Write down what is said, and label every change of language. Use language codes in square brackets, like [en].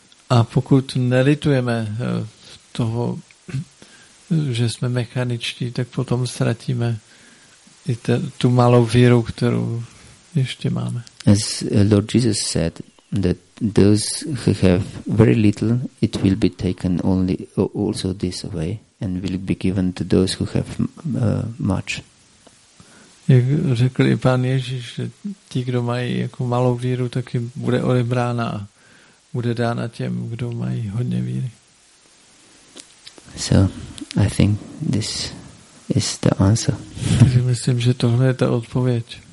[cs] A pokud nelitujeme toho, že jsme mechaničtí, tak potom ztratíme i tu malou víru, kterou ještě máme. [en] As Lord Jesus said, that those who have very little, it will be taken only also this away and will be given to those who have much. [cs] Jak řekl i Pán Ježíš, že ti, kdo mají jako malou víru, tak jim bude odebrána. Bude dána těm, kdo mají hodně víry. [en] So, I think this is the answer. [cs] Myslím, že tohle je ta odpověď.